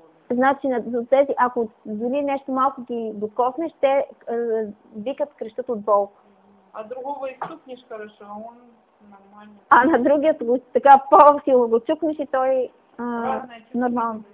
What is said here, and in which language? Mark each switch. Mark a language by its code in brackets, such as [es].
[bg] Значи, ако дори нещо малко ги докоснеш, те викат, крещат от болка. [ru] А другого изтукнеш хорошо, а он нормально. [bg] А на другия така по-силно го чукнеш и той нормално.